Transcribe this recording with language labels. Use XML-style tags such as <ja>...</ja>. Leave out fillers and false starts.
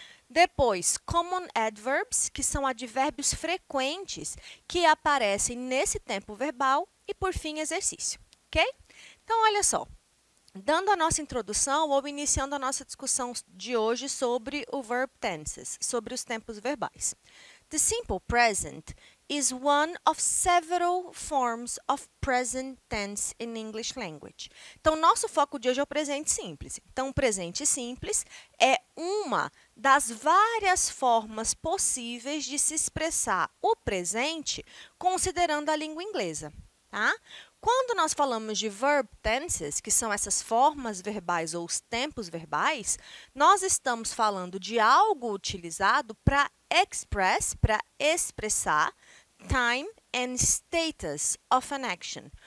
<pt>Depois, common adverbs, que são advérbios frequentes que aparecem nesse tempo verbal, e por fim, exercício, ok? Então, olha só, dando a nossa introdução ou iniciando a nossa discussão de hoje sobre o verb tenses, sobre os tempos verbais.</pt> <en>The simple present is one of several forms of present tense in English language.</en> <pt>Então, nosso foco de hoje é o presente simples. Então, o presente simples é uma das várias formas possíveis de se expressar o presente considerando a língua inglesa, tá? Quando nós falamos de verb tenses, que são essas formas verbais ou os tempos verbais, nós estamos falando de algo utilizado para express, para expressar</pt> <en>time and status of an action.</en>